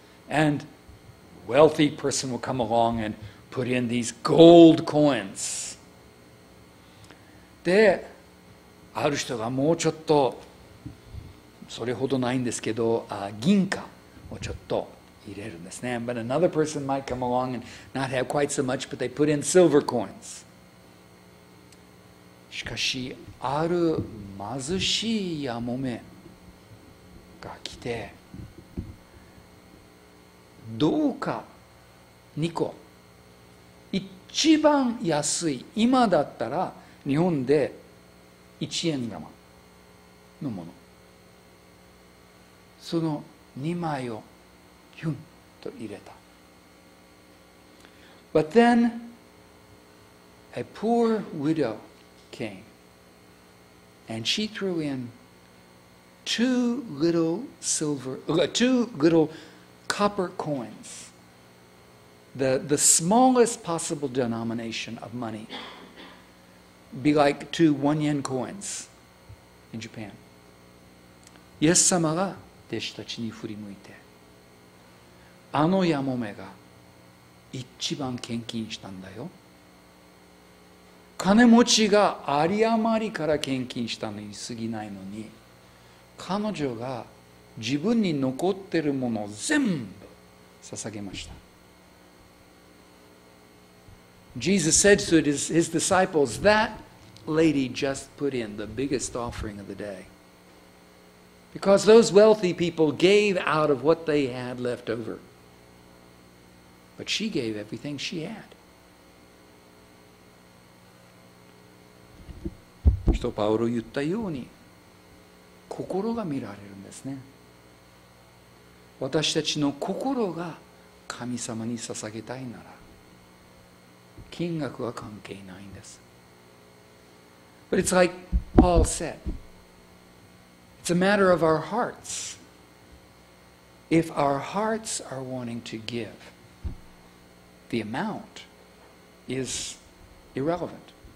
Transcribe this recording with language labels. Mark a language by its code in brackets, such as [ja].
[en] And wealthy person will come along and put in these gold coins. [ja] で、ある人がもうちょっと、それほどないんですけど、銀貨をちょっと入れるんですね。 [en] But another person might come along and not have quite so much, but they put in silver coins. [ja] しかし、ある貧しいやもめ、来てどうか2個、一番安い、今だったら日本で1円玉のもの、その2枚をヒュンと入れた。 [en] But then a poor widow came and she threw intwo little copper coins, the smallest possible denomination of money, be like two 1 yen coins in Japan. [ja] イエス様が弟子たちに振り向いて、あのヤモメが一番献金したんだよ。金持ちが有り余りから献金したのに過ぎないのに、彼女が自分に残ってるものを全部捧げました。 [en] Jesus said to his disciples, that lady just put in the biggest offering of the day. Because those wealthy people gave out of what they had left over. But she gave everything she had. [ja] 人パウロ言ったように、心が見られるんですね。私たちの心が神様に捧げたいなら、金額は関係ないんです。 [en] But it's like Paul said, it's a matter of our hearts. If our hearts are wanting to give, the amount is irrelevant.